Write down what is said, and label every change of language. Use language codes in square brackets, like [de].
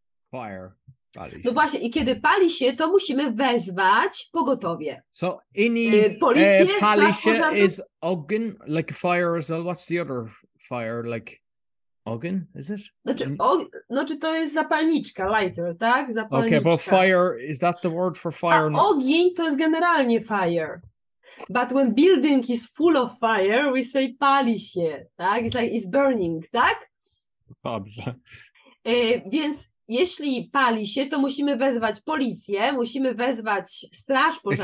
[en] Fire, [pl] pali się. No właśnie, i kiedy pali się, to musimy wezwać pogotowie. [en] So, any [pl] policję, pali się pożarów. [en] Is ogień, like fire as well, what's the other fire, like... Ogień, is it? [pl] Znaczy, to jest zapalniczka, lighter, tak? Zapalniczka. [en] Okay, but fire, is that the word for fire? [pl] A ogień to jest generalnie fire. [en] But when building is full of fire, we say [pl] pali się, tak? [en] It's like, it's burning, [pl] tak? Dobrze. Więc jeśli pali się, to musimy wezwać policję, musimy wezwać straż pożarną.